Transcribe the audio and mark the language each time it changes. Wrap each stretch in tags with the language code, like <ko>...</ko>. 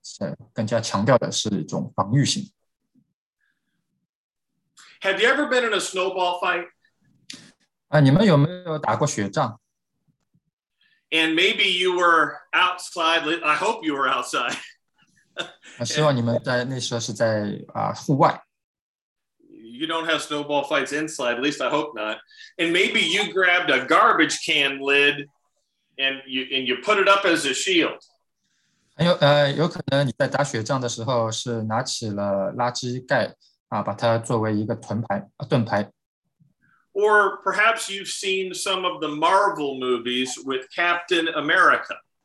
<zh>穿上全部的军装铠甲是用于防御性或者进攻性战争的一套这样的工具。那么然而那通常呢我们在这里更加强调的是一种防御性。</zh> <en>Have you ever been in a snowball fight?</en> <zh>你们有没有打过雪仗?</zh> <en>And maybe you were outside. I hope you were outside.</en> <zh>希望你们在那时候是在户外。</zh> <en>You don't have snowball fights inside, at least I hope not. And maybe you grabbed a garbage can lid and you put it up as a shield.</en> <zh>有可能你在打雪仗的时候是拿起了垃圾盖。把它作为一个盾牌。</zh> <en>Or perhaps you've seen some of the Marvel movies with Captain America.</en>